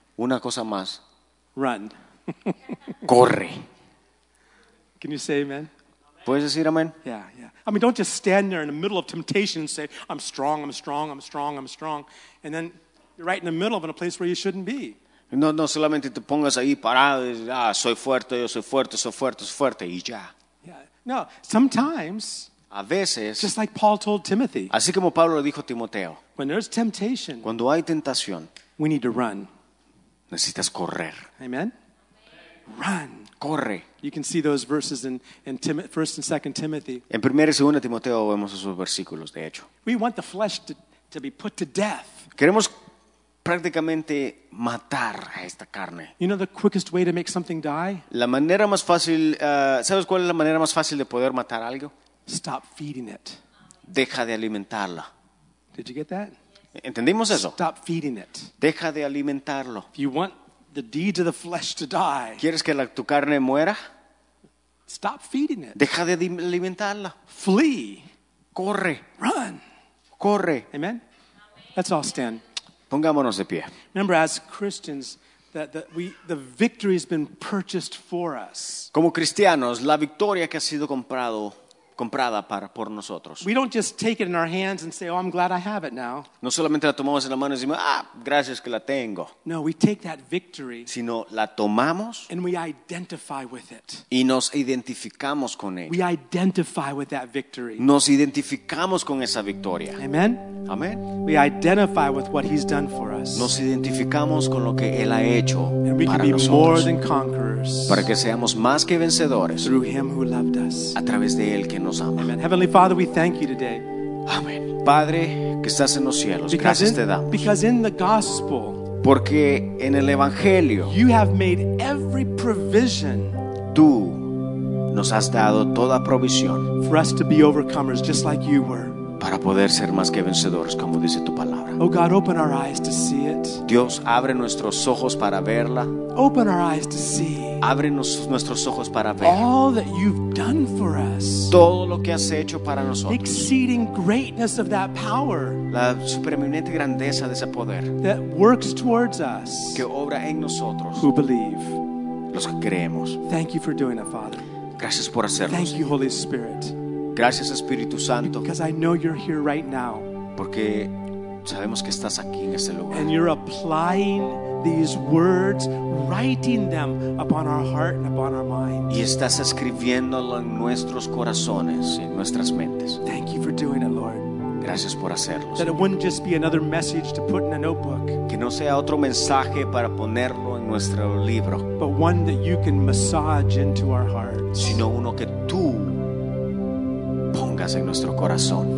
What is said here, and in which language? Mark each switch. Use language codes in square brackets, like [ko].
[es] Una cosa más. [en] Run. [es] Corre. [en] Can you say amen? [es] ¿Puedes decir amen? [en] Yeah, yeah. I mean, don't just stand there in the middle of temptation and say, I'm strong, I'm strong, I'm strong, I'm strong. And then you're right in the middle of a place where you shouldn't be. [es] No solamente te pongas ahí parado y dices, ah, soy fuerte, yo soy fuerte, soy fuerte, soy fuerte, y ya. [en] Yeah. No, sometimes, [es] a veces, [en] just like Paul told Timothy, [es] así como Pablo lo dijo a Timoteo, [en] when there's temptation, [es] cuando hay tentación, [en] we need to run. [es] Necesitas correr. [en] Amen? Run. [es] Corre. [en] You can see those verses in 1 and 2 Timothy. [es] En 1 y 2 Timoteo vemos esos versículos, de hecho. [en] We want the flesh to be put to death. [es] Queremos prácticamente matar a esta carne. [en] You know the quickest way to make something die? [es] La manera más fácil, ¿sabes cuál es la manera más fácil de poder matar algo? [en] Stop feeding it. [es] Deja de alimentarla. [en] Did you get that? [es] ¿Entendimos eso? [en] Stop feeding it. [es] Deja de alimentarlo. [en] If you want the deeds of the flesh to die. [es] ¿Quieres que tu carne muera? [en] Stop feeding it. [es] Deja de alimentarla. [en] Flee. [es] Corre. [en] Run. [es] Corre. [en] Amen. Let's all stand. [es] Pongámonos de pie. [en] Remember, as Christians, the victory has been purchased for us. [es] Como cristianos, la victoria que ha sido comprada por nosotros. [en] We don't just take it in our hands and say, "Oh, I'm glad I have it now." [es] No solamente la tomamos en la mano y decimos, "Ah, gracias que la tengo." [en] No, we take that victory. [es] Sino la tomamos. [en] And we identify with it. [es] Y nos identificamos con ella. [en] We identify with that victory. [es] Nos identificamos con esa victoria. [en] Amen. [es] Amen. [en] We identify with what He's done for us. [es] Nos identificamos con lo que Él ha hecho para nosotros. [en] And we can be more than conquerors. [es] Para que seamos más que vencedores. [en] Through Him who loved us. [es] A través de Él que [en] Amen. Heavenly Father, we thank you today. [es] Amen. Padre que estás en los cielos, gracias te damos. [en] Because in the gospel, [es] porque en el evangelio, [en] you have made every provision. [es] Tú nos has dado toda provisión. [en] For us to be overcomers, just like you were. [es] Para poder ser más que vencedores, como dice tu palabra. [en] Oh God, open our eyes to see it. [es] Dios, abre nuestros ojos para verla. [en] Open our eyes to see. [es] Ábrenos nuestros ojos para ver. [en] All that you've done for us. [es] Todo lo que has hecho para nosotros. [en] Exceeding greatness of that power. [es] La supereminente grandeza de ese poder. [en] That works towards us. [es] Que obra en nosotros. [en] Who believe. [es] Los que creemos. [en] Thank you for doing it, Father. [es] Gracias por hacerlo. [en] Thank you, Holy Spirit. [es] Gracias, Espíritu Santo. [en] Because I know you're here right now. [es] Porque sabemos que estás aquí en este lugar. [en] And you're applying these words, writing them upon our heart and upon our minds. [es] Y estás escribiéndolo en nuestros corazones y en nuestras mentes. [en] Thank you for doing it, Lord. [es] Gracias por hacerlo. [en] That it wouldn't just be another message to put in a notebook. [es] Que no sea otro mensaje para ponerlo en nuestro libro. [en] But one that you can massage into our hearts. [es] Sino uno que tú pongas en nuestro corazón.